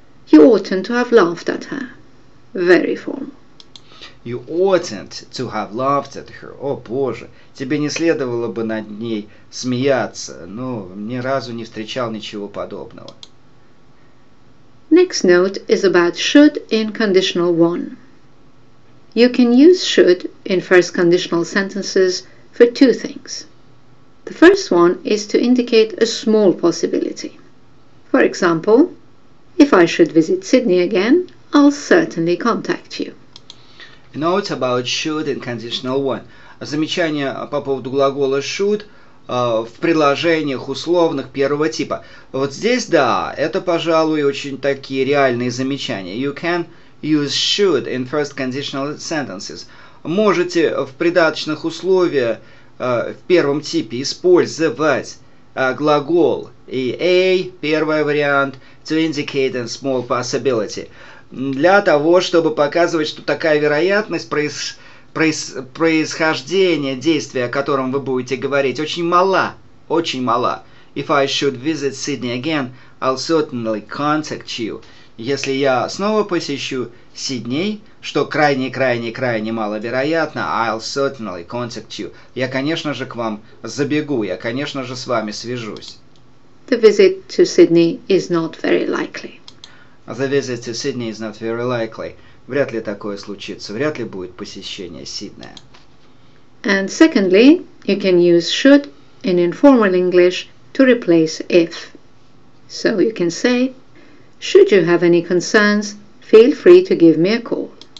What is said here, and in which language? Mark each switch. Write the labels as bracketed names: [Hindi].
[English] You oughtn't to have laughed at her. Very formal. You oughtn't to have laughed at her. [Russian] О, боже. Тебе не следовало бы над ней смеяться. Ну, ни разу не встречал ничего подобного. [English] Next note is about should in conditional one. You can use should in first conditional sentences for two things. The first one is to indicate a small possibility. For example, if I should visit Sydney again, I'll certainly contact you. A note about should in conditional one. [Russian] Замечание по поводу глагола should в предложениях условных первого типа. Вот здесь, да, это, пожалуй, очень такие реальные замечания. [English] You can use should in first conditional sentences. [Russian] Можете в придаточных условиях в первом типе использовать глагол и a, первый вариант, [English] to indicate a small possibility, [Russian] для того, чтобы показывать, что такая вероятность происхождение действия, о котором вы будете говорить, очень мала, очень мала. [English] If I should visit Sydney again, I'll certainly contact you. [Russian] Если я снова посещу Сидней, что крайне маловероятно, [English] I'll certainly contact you. [Russian] Я, конечно же, к вам забегу, я, конечно же, с вами свяжусь. [English] The visit to Sydney is not very likely. The visit to Sydney is not very likely. [Russian] Вряд ли такое случится. Вряд ли будет посещение Сиднея. [English] And secondly, you can use should in informal English to replace if. So you can say, should you have any concerns, feel free to give me a call.